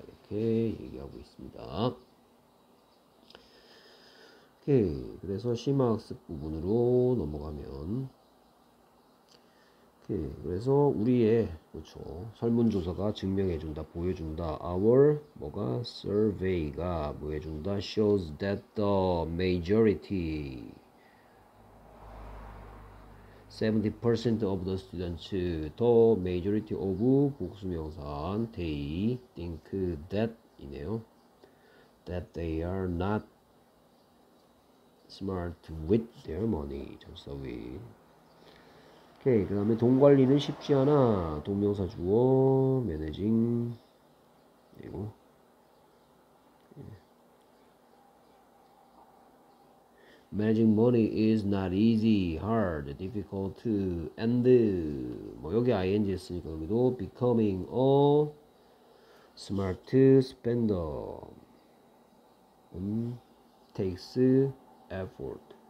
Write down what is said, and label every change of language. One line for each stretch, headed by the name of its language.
Korean: 이렇게 얘기하고 있습니다. 오케이, 그래서 심화학습 부분으로 넘어가면. 예, 그래서 우리의 그렇죠 설문조사가 증명해준다, 보여준다. Our 뭐가 survey가 보여준다.
English: Shows that the majority 70% of the students, the majority of
Korean: 복수명사한
English: they think that 이네요. That they are not smart with their money.
Korean: 전서
English: with.
Korean: 오케이, 그 다음에 돈 관리는 쉽지 않아. 동명사 주어,
English: managing,
Korean: 그리고
English: managing money is not easy, hard, difficult, and
Korean: 뭐 여기 ing 했으니까 여기도
English: becoming a smart spender takes effort.